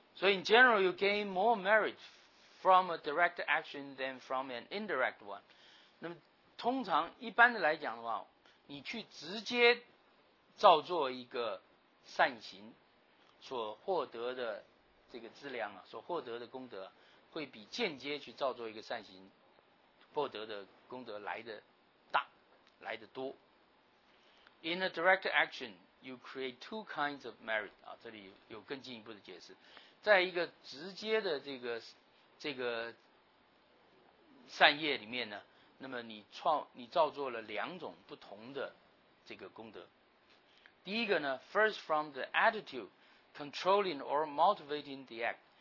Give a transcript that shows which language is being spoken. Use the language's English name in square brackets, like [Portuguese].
[English] So in general, you gain more merit from a direct action than from an indirect one. [Chinese] 那么通常一般的来讲的话，你去直接造作一个善行所获得的这个资粮啊，所获得的功德会比间接去造作一个善行获得的功德来得大，来得多。 [English] In a direct action, you create two kinds of merit. [Chinese] 啊，这里有更进一步的解释。在一个直接的这个善业里面呢，那么你造作了两种不同的这个功德。第一个呢 [English] ，first from the attitude controlling or motivating the act。